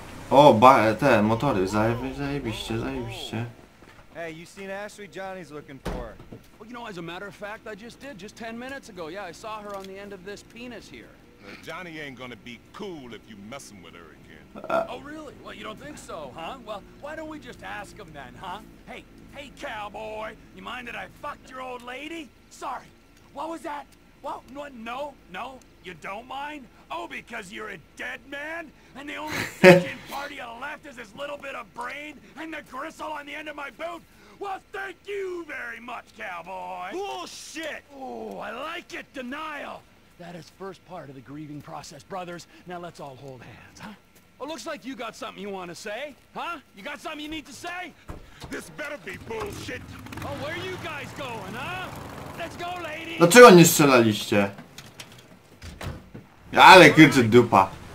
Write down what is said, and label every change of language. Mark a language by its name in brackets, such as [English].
[Polish] O, ba, te motory, zajebiście, zajebiście. [English] Hey, you seen Ashley? Johnny's looking for her. Well, you know, as a matter of fact, I just did, just 10 minutes ago. Yeah, I saw her on the end of this penis here. Now, Johnny ain't gonna be cool if you messing with her again. Oh, really? Well, you don't think so, huh? Well, why don't we just ask him then, huh? Hey, hey, cowboy, you mind that I fucked your old lady? Sorry, what was that? Well, no, no, no, you don't mind? Oh, because you're a dead man? And the only fucking part of you left is this little bit of brain and the gristle on the end of my boot? Well, thank you very much, cowboy! Bullshit! Oh, I like it, denial! That is first part of the grieving process, brothers. Now let's all hold hands, huh? Oh, looks like you got something you want to say, huh? You got something you need to say? This better be bullshit! Oh, where are you guys going, huh? [Polish] Dlaczego nie strzelaliście? Ale kurczę dupa.